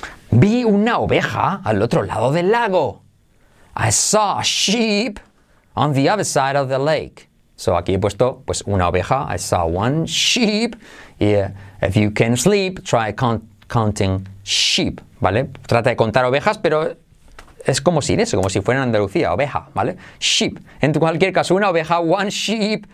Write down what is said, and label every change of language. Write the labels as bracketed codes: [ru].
[es] Vi una oveja al otro lado del lago. [en] I saw a sheep on the other side of the lake. [es] So aquí he puesto pues una oveja. [en] I saw one sheep. Yeah. If you can sleep, try counting sheep. [es] ¿Vale? Trata de contar ovejas, pero es como si en eso, como si fuera en Andalucía, oveja, ¿vale? Sheep. En cualquier caso, una oveja, [en] one sheep.